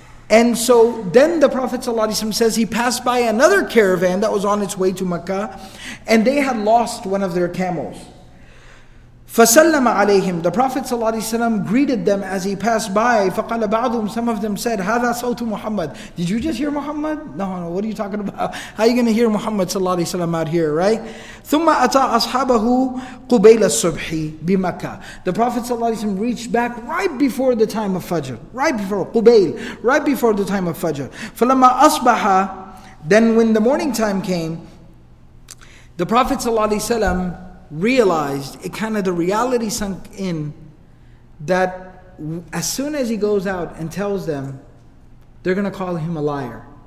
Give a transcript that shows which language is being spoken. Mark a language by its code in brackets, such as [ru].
[en] And so then the Prophet ﷺ says he passed by another caravan that was on its way to Makkah, and they had lost one of their camels. [ar] فَسَلَّمَ عَلَيْهِمْ. [en] The Prophet ﷺ greeted them as he passed by. [ar] فَقَالَ بَعْضُهُمْ. [en] Some of them said, [ar] هَذَا صَوْتُ مُحَمَّدٍ. [en] Did you just hear Muhammad? No, what are you talking about? How are you going to hear Muhammad ﷺ out here, right? [ar] ثُمَّ أَتَى أَصْحَابَهُ قُبَيْلَ الصُّبْحِ بِمَكَّةِ. [en] The Prophet ﷺ reached back right before the time of Fajr. Right before, قُبَيْل. Right before the time of Fajr. [ar] فَلَمَّا أَصْبَحَ. [en] Then when the morning time came, the Prophet ﷺ realized, it kind of, the reality sunk in that as soon as he goes out and tells them, they're going to call him a liar.